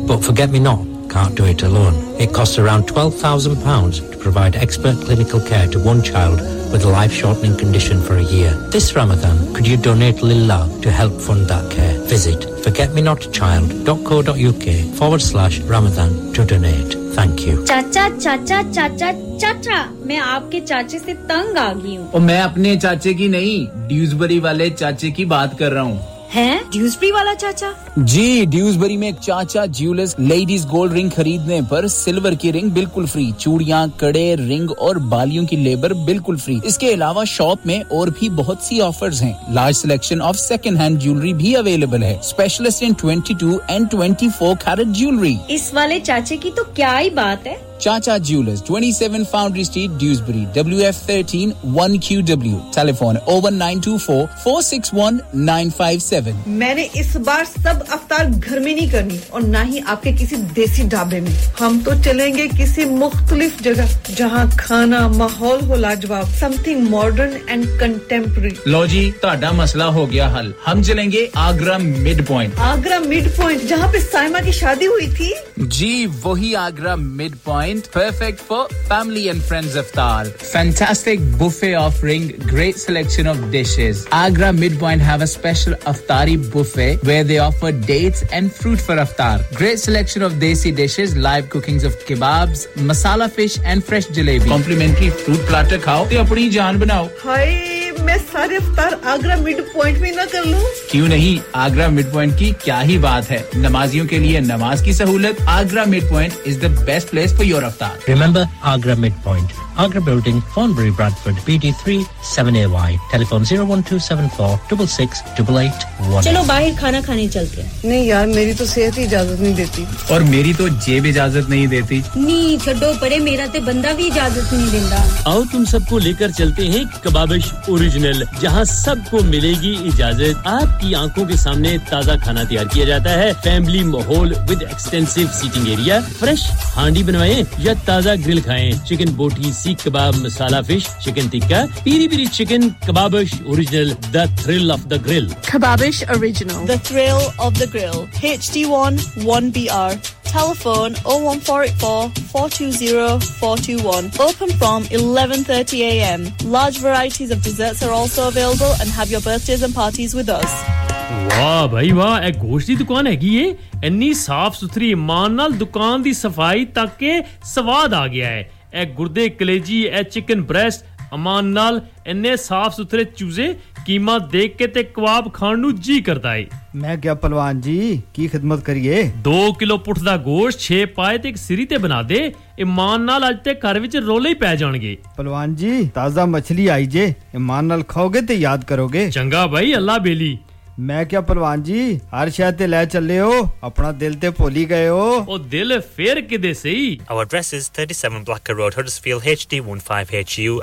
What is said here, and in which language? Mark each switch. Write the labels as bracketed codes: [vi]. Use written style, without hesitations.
[en] But Forget Me Not can't do it alone. It costs around £12,000 to provide expert clinical care to one child with a life-shortening condition for a year. This Ramadan, could you donate Lilla to help fund that care? Visit forgetmenotchild.co.uk/Ramadan to donate. Thank you. Cha-cha-cha-cha-cha-cha-cha. [hi] मैं आपके चाचे से तंग आ गई हूँ। और मैं अपने चाचे की नहीं, ड्यूसबरी वाले चाचे की बात कर रहा हूँ। हैं? ड्यूसबरी वाला चाचा? जी, ड्यूसबरी में एक चाचा ज्यूलर्स लेडीज गोल्ड रिंग खरीदने पर सिल्वर की रिंग बिल्कुल फ्री, चूड़ियां, कड़े, रिंग और बालियों की लेबर बिल्कुल फ्री। इसके अलावा शॉप में और भी बहुत सी ऑफर्स हैं। [en] large selection of second hand jewellery [hi] भी अवेलेबल है। [en] Specialist in 22 and 24 carat jewellery. [hi] इस वाले चाचे की तो क्या ही बात है। [en] Chacha Jewelers, 27 Foundry Street, Dewsbury, WF13 1QW. Telephone 01924-461-957. [hi] मैंने इस बार सब अफ्तार घर में नहीं करनी और ना ही आपके किसी देसी ढाबे में। हम तो चलेंगे किसी मुख्तलिफ जगह जहां खाना माहौल हो लाजवाब, [en] something modern and contemporary. [hi] लो जी, ताड़ा मसला हो गया हल। हम चलेंगे आगरा मिडपॉइंट। आगरा मिडपॉइंट जहां पे साइमा की शादी हुई थी? जी, वही Agra midpoint. [en] Perfect for family and friends iftar. Fantastic buffet offering, great selection of dishes. Agra Midpoint have a special iftari buffet where they offer dates and fruit for iftar. Great selection of desi dishes, live cookings of kebabs, masala fish and fresh jalebi. Complimentary fruit platter [pa] khao te apni jaan banao. [en] Hi. [hi] मैं सारे अफ्तार Agra mid point में ना कर लूं? क्यों नहीं, [en] Agra mid point की क्या ही बात है। नमाजियों के लिए नमाज की सहूलत, Agra mid point is the best place for your iftar. Remember Agra mid point, Agra Building, Fawnbury, Bradford, BD3 7AY. Telephone 01274 66881. [hi] चलो बाहर खाना खाने चलते हैं। नहीं यार, मेरी तो सेहत ही इजाजत नहीं देती। और मेरी तो जेब इजाजत नहीं देती। नहीं छोड़ो परे, मेरा तो बंदा भी इजाजत नहीं देता। आओ तुम सबको लेकर चलते हैं कबाबिश ओरिजिनल, जहां सबको मिलेगी इजाजत। आपकी आंखों के सामने ताजा खाना तैयार किया जाता है, फैमिली माहौल [en] With extensive seating area. [hi] Fresh हांडी बनवाएं या ताजा ग्रिल खाएं, चिकन बोटी, सीख कबाब, मसाला fish, chicken tikka, Piri Piri chicken, Kababish original, [en] The thrill of the grill. Kababish original, the thrill of the grill, HD1 1BR. Telephone 01484-420-421. Open from 11:30 a.m. Large varieties of desserts are also available and have your birthdays and parties with us. [hi] वाह भाई वाह, एक गोश्ती दुकान है कि ये इतनी साफ सुथरी, [pa] मानल दुकान दी सफाई तक के स्वाद आ गया है। ਇਹ ਗੁਰਦੇ ਕਲੇਜੀ, ਇਹ ਚਿਕਨ ਬ੍ਰੈਸਟ, ਅਮਾਨ ਨਾਲ ਇੰਨੇ ਸਾਫ਼ ਸੁਥਰੇ ਚੂਜ਼ੇ, ਕੀਮਾ ਦੇਖ ਕੇ ਤੇ ਕਬਾਬ ਖਾਣ ਨੂੰ ਜੀ ਕਰਦਾ ਏ। ਮੈਂ ਕਿਹਾ ਭਲਵਾਨ ਜੀ, ਕੀ ਖਿਦਮਤ ਕਰੀਏ। 2 ਕਿਲੋ ਪੁੱਠ ਦਾ ਗੋਸ਼ਤ, 6 ਪਾਏ ਤੇ ਇੱਕ ਸਿਰੀ ਤੇ ਬਣਾ ਦੇ, ਇਮਾਨ ਨਾਲ ਅੱਜ ਤੇ ਘਰ ਵਿੱਚ ਰੋਲੇ ਹੀ ਪੈ ਜਾਣਗੇ। ਭਲਵਾਨ ਜੀ, ਤਾਜ਼ਾ ਮੱਛਲੀ ਆਈ ਜੇ, ਇਮਾਨ ਨਾਲ ਖਾਓਗੇ ਤੇ ਯਾਦ ਕਰੋਗੇ। ਚੰਗਾ ਬਾਈ, ਅੱਲਾ ਬੇਲੀ। ਮੈਂ ਕਿਹਾ ਭਲਵਾਨ ਜੀ, ਹਰ ਸ਼ਹਿਰ ਤੇ ਲੈ ਚੱਲੇ ਹੋ, ਆਪਣਾ ਦਿਲ ਤੇ ਭੁੱਲ ਹੀ ਗਏ ਹੋ। ਉਹ ਦਿਲ ਫੇਰ ਕਿਦੇ ਸਹੀ। [en] Our address is 37 Blacker Road, Huddersfield, HD15HU.